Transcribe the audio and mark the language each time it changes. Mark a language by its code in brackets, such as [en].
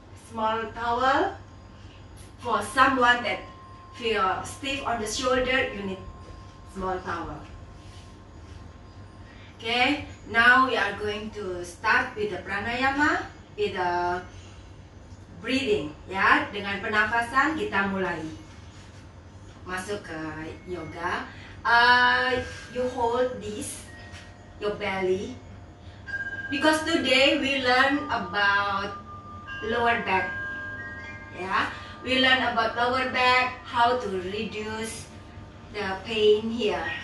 [en] Small towel. For someone that feel stiff on the shoulder, you need small towel. Okay, now we are going to start with the pranayama, with the breathing. [id] Ya, dengan pernafasan kita mulai. Masuk ke yoga. [en] You hold this, your belly, because today we learn about lower back. Yeah, we learn about lower back, how to reduce the pain here.